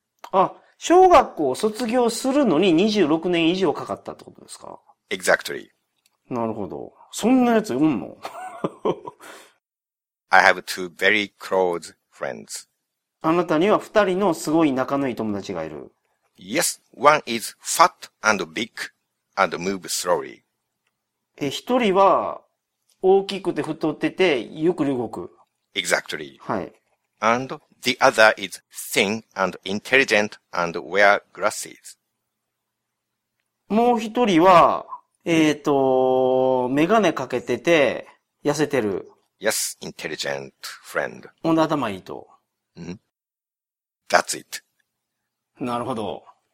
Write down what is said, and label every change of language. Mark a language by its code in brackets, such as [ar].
[ja] あ、小学校を卒業するのに26年以上かかったってことですか？ [en] Exactly. [ja] なるほど。そんなやつおんの？ [en] I have two very close friends. [ja] あなたには二人のすごい仲のいい友達がいる。 [en] Yes, one is fat and big and move slowly. [ja] 一人は大きくて太ってて、ゆっくり動く。 [en] Exactly. [ja] はい。 [en] And the other is thin and intelligent and wear glasses. [ja] もう一人は、メガネかけてて、痩せてる。 [en] Yes, intelligent friend. [ja] ほんで頭いいと。 [en] ん ?That's it. [ja] なるほど。